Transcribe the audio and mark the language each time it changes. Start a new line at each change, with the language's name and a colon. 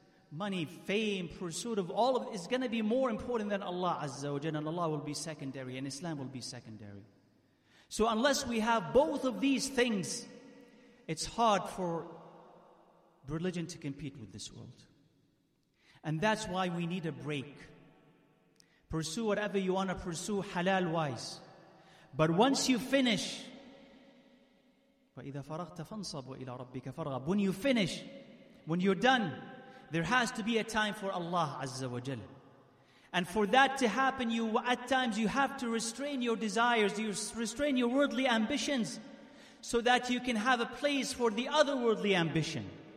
English: Money, fame, pursuit of all of it is going to be more important than Allah Azza wa Jal, and Allah will be secondary, and Islam will be secondary. So unless we have both of these things, it's hard for religion to compete with this world. And that's why we need a break. Pursue whatever you want to pursue halal wise. But once you finish,
Arabic: فَإِذَا فَرَغْتَ فَانْصَبْ وَإِلَى رَبِّكَ فَرْغَبْ.
English: When you finish, when you're done, there has to be a time for Allah Azza wa Jal. And for that to happen, you at times you have to restrain your desires, you restrain your worldly ambitions, so that you can have a place for the otherworldly ambition.